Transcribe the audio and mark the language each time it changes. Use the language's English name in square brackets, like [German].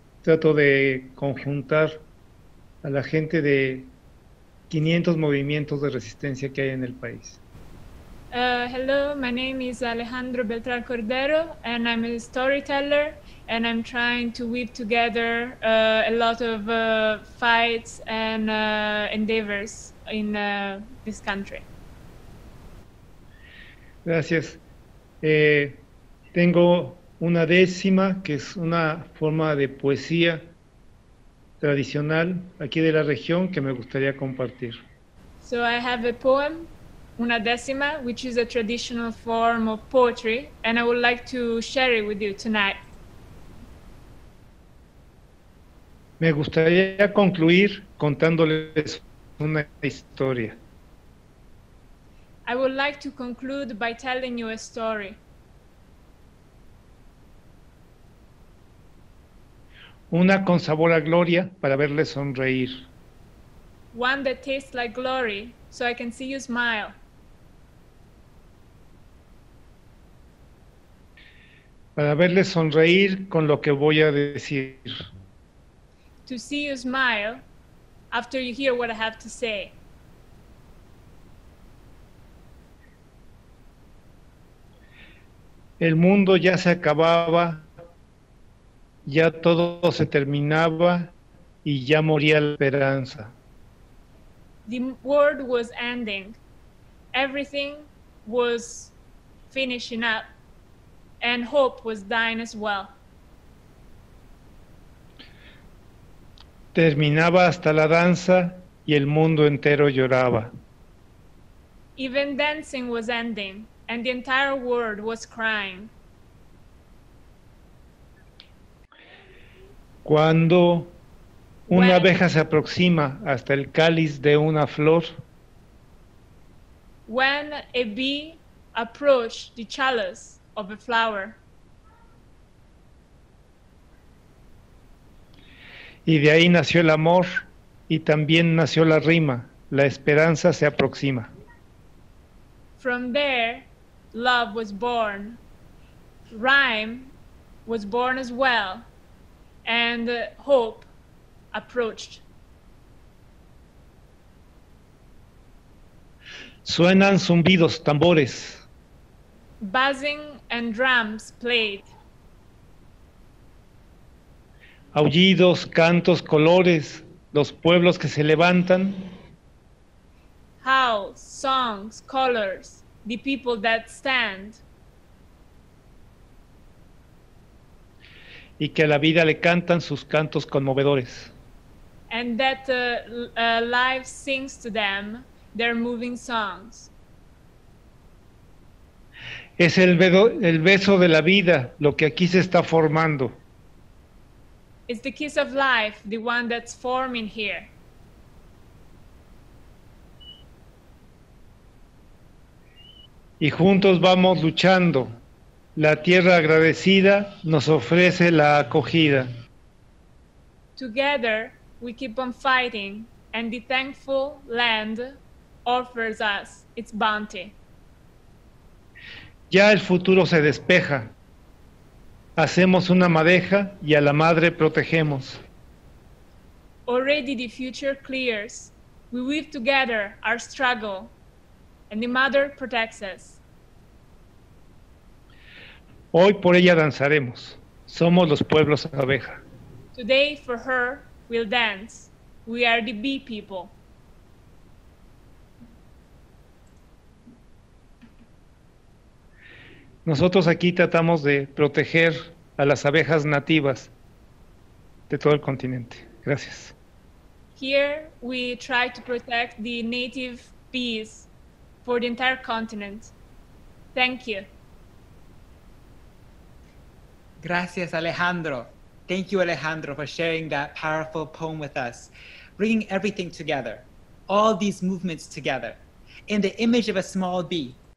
[Spanish] trato de conjuntar a la gente de 500 movimientos de resistencia que hay en el país. [English] Hello, my name is Alejandro Beltrán Cordero, and I'm a storyteller, and I'm trying to weave together a lot of fights and endeavors in this country. [Spanish] Gracias. Tengo una décima, que es una forma de poesía tradicional aquí de la región que me gustaría compartir. [English] So I have a poem, una décima, which is a traditional form of poetry, and I would like to share it with you tonight. [Spanish] Me gustaría concluir contándoles una historia. [English] I would like to conclude by telling you a story. [Spanish] Una con sabor a gloria para verle sonreír. [English] One that tastes like glory, so I can see you smile. [Spanish] Para verle sonreír con lo que voy a decir. [English] To see you smile after you hear what I have to say. [Spanish] El mundo ya se acababa, ya todo se terminaba y ya moría la esperanza. [English] The world was ending. Everything was finishing up. And hope was dying as well. [Spanish] Terminaba hasta la danza y el mundo entero lloraba. [English] Even dancing was ending and the entire world was crying. [Spanish] Cuando una abeja se aproxima hasta el cáliz de una flor. [English] When a bee approached the chalice of a flower. [Spanish] Y de ahí nació el amor y también nació la rima, la esperanza se aproxima. [English] From there, love was born. Rhyme was born as well, and hope approached. [Spanish] Suenan zumbidos, tambores. [English] Buzzing and drums played. [Spanish] Aullidos, cantos, colores, los pueblos que se levantan. [English] Howls, songs, colors, the people that stand. [Spanish] Y que a la vida le cantan sus cantos conmovedores. [English] And that life sings to them their moving songs. [Spanish] Es el beso de la vida lo que aquí se está formando. [English] It's the kiss of life, the one that's forming here. [Spanish] Y juntos vamos luchando. La tierra agradecida nos ofrece la acogida. [English] Together we keep on fighting and the thankful land offers us its bounty. [Spanish] Ya el futuro se despeja. Hacemos una madeja y a la madre protegemos. [English] Already the future clears. We weave together our struggle and the mother protects us. [Spanish] Hoy por ella danzaremos. Somos los pueblos abeja. [English] Today for her we'll dance. We are the bee people. [Spanish] Nosotros aquí tratamos de proteger a las abejas nativas de todo el continente. Gracias. [English] Here we try to protect the native bees for the entire continent. Thank you. [Spanish] Gracias, Alejandro. [English] Thank you, Alejandro, for sharing that powerful poem with us, bringing everything together, all these movements together, in the image of a small bee.